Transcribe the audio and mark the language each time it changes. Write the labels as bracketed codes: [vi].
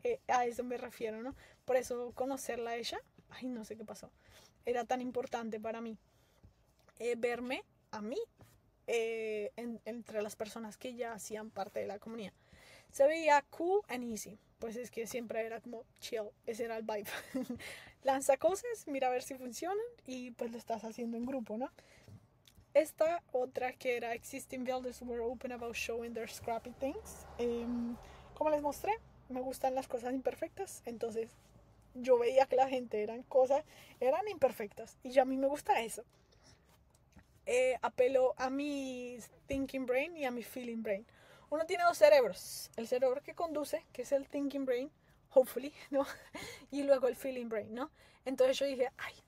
[es] A eso me refiero, ¿no? Por eso conocerla a ella, ay, no sé qué pasó, era tan importante para mí verme a mí. Entre las personas que ya hacían parte de la comunidad. Se veía [en] cool and easy. [es] Pues es que siempre era como chill. Ese era el vibe. Lanza cosas, mira a ver si funcionan y pues lo estás haciendo en grupo, ¿no? Esta otra que era [en] existing builders were open about showing their scrappy things. [es] Como les mostré, me gustan las cosas imperfectas. Entonces yo veía que la gente eran imperfectas. Y ya a mí me gusta eso. Apelo a mi [en] thinking brain [es] y a mi [en] feeling brain. [es] Uno tiene dos cerebros. El cerebro que conduce, que es el [en] thinking brain, hopefully, [es] ¿no? Y luego el [en] feeling brain, [es] ¿no? Entonces yo dije, ay,